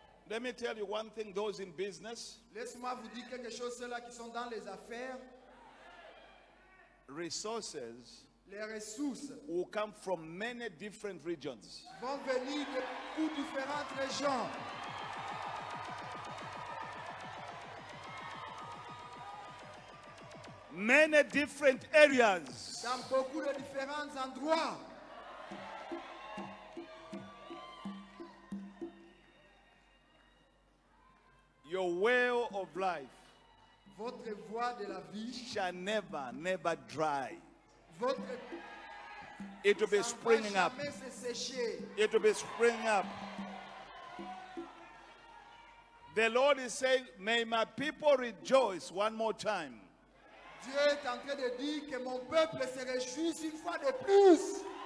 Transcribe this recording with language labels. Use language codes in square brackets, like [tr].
[en] Let me tell you one thing, those in business. [fr] Laisse-moi vous dire quelque chose, ceux-là qui sont dans les affaires. [en] Resources. [fr] Les ressources. [en] Will come from many different regions. [fr] Vont venir de beaucoup différentes régions. [en] Many different areas. [fr] Dans beaucoup de différents endroits. [en] Your well of life, [fr] votre voie de la vie, [en] shall never dry. [fr] Votre [en] it will be springing up. It will be springing up. The Lord is saying, "May my people rejoice one more time." [fr] Dieu est en train de dire que mon peuple se réjouisse une fois de plus.